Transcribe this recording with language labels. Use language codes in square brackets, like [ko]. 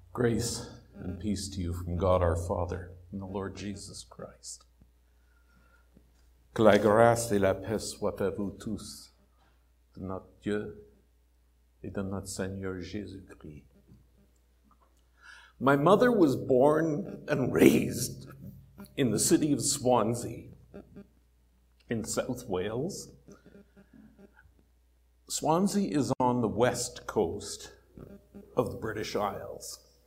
[en] Grace and peace to you from God our Father and the Lord Jesus Christ. [fr] Que la grâce et la paix soient à vous tous, de notre Dieu et de notre Seigneur Jésus-Christ. [en] My mother was born and raised in the city of Swansea in South Wales. Swansea is on the west coast of the British Isles.